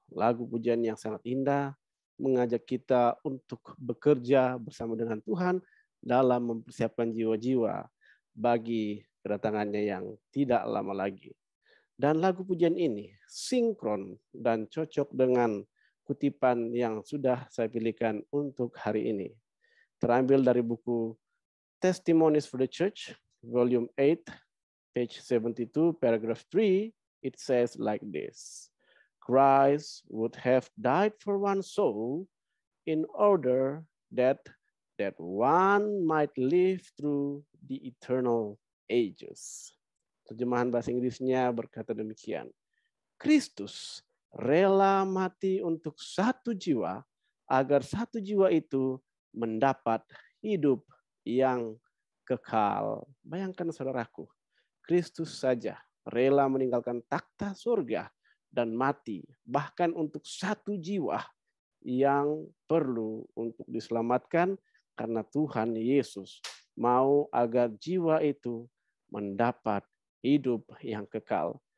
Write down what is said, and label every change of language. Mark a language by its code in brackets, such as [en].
[id] Lagu pujian yang sangat indah mengajak kita untuk bekerja bersama dengan Tuhan dalam mempersiapkan jiwa-jiwa bagi kedatangannya yang tidak lama lagi. Dan lagu pujian ini sinkron dan cocok dengan kutipan yang sudah saya pilihkan untuk hari ini. Terambil dari buku [en] Testimonies for the Church, volume 8, page 72, paragraph 3, it says like this: Christ would have died for one soul in order that one might live through the eternal ages. [id] Terjemahan bahasa Inggrisnya berkata demikian: Kristus rela mati untuk satu jiwa, agar satu jiwa itu mendapat hidup yang kekal. Bayangkan saudaraku, Kristus saja rela meninggalkan takhta surga dan mati, bahkan untuk satu jiwa yang perlu untuk diselamatkan, karena Tuhan Yesus mau agar jiwa itu mendapat hidup yang kekal.